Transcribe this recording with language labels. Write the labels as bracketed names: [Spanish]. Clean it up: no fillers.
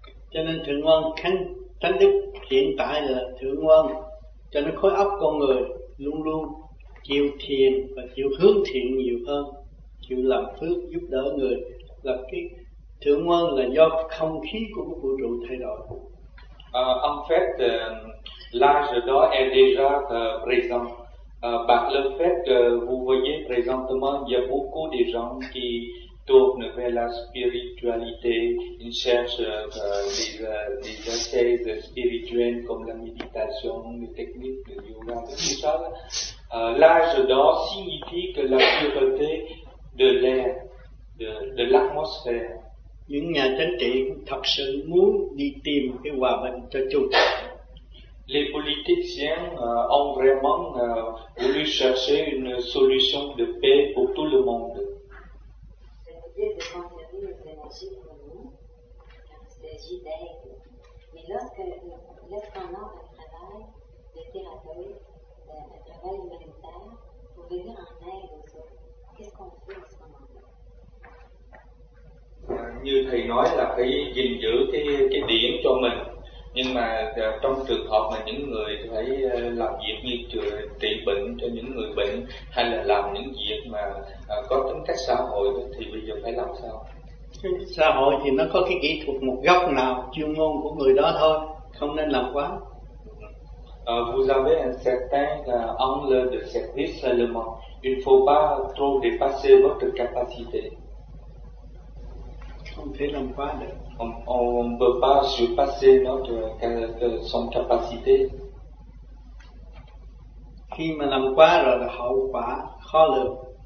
[Vietnamese] Cho nên thượng nguyên thánh đức hiện tại là thượng nguyên, cho nên khối óc con người luôn luôn chịu thiền và chịu hướng thiện nhiều hơn, chịu làm phước giúp đỡ người. Là cái thượng nguyên là do không khí của vũ trụ thay đổi. [French] En fait, l'âge d'or est déjà présent. Par le fait que vous voyez présentement, il y a beaucoup de gens qui tournent vers la spiritualité, ils cherchent des ascèses spirituelles comme la méditation, les techniques de yoga, etc. L'âge d'or signifie que la pureté de l'air, de l'atmosphère. [Vietnamese] Những nhà chính trị thật sự muốn đi tìm cái hòa bình cho chúng. [French] Les politiciens ont vraiment voulu chercher une solution de paix pour tout le monde. Ça veut dire de conserver les énergies pour nous, car il s'agit d'aide. Mais lorsqu'on entre un travail de thérapeute, un travail humanitaire, pour venir en aide aux autres, qu'est-ce qu'on fait en ce moment? [Vietnamese] Như thầy nói là phải gìn giữ cái điểm cho mình. Nhưng mà trong trường hợp mà những người phải làm việc như trị bệnh cho những người bệnh hay là làm những việc mà có tính cách xã hội thì bây giờ phải làm sao? Xã hội thì nó có cái kỹ thuật một góc nào chuyên môn của người đó thôi, không nên làm quá. [French] Vous avez un certain angle de service seulement. Il ne faut pas trop dépasser votre capacité. [Vietnamese] Không thể làm quá được. [French] On peut pas surpasser notre son capacité. [Vietnamese] Khi mà làm quá rồi là hậu quả khó lường.